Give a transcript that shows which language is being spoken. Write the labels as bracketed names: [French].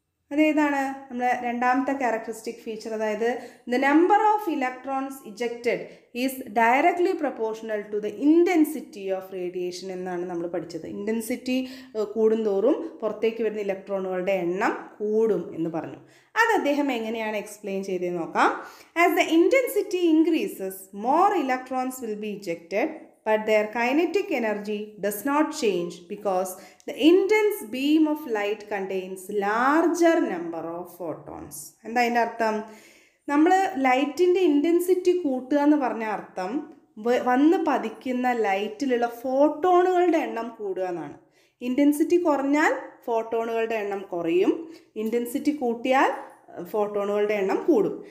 [Malayalam] അതേതാണ് നമ്മുടെ രണ്ടാമത്തെ ക്യാരക്ടറിസ്റ്റിക് ഫീച്ചർ? അതായത് [English] the number of electrons ejected is directly proportional to the intensity of radiation [Malayalam] എന്നാണ് നമ്മൾ പഠിച്ചത്. ഇൻറ്റൻസിറ്റി കൂടുന്തോറും പുറത്തേക്ക് വരുന്ന ഇലക്ട്രോണുകളുടെ എണ്ണം കൂടും എന്ന് പറഞ്ഞു. അത് അദ്ദേഹം എങ്ങനെയാണ് എക്സ്പ്ലെയിൻ ചെയ്തതെന്ന് നോക്കാം. [English] As the intensity increases more electrons will be ejected but their kinetic energy does not change because the intense beam of light contains larger number of photons. [Malayalam] എന്താ ഇതിന്റെ അർത്ഥം? നമ്മൾ ലൈറ്റിൻ്റെ ഇൻറ്റൻസിറ്റി കൂട്ടുക എന്ന് പറഞ്ഞ അർത്ഥം വന്ന് പതിക്കുന്ന ലൈറ്റിലുള്ള ഫോട്ടോണുകളുടെ എണ്ണം കൂടുക എന്നാണ്. ഇൻറ്റൻസിറ്റി കുറഞ്ഞാൽ ഫോട്ടോണുകളുടെ എണ്ണം കുറയും, ഇൻറ്റൻസിറ്റി കൂട്ടിയാൽ ഫോട്ടോണുകളുടെ എണ്ണം കൂടും.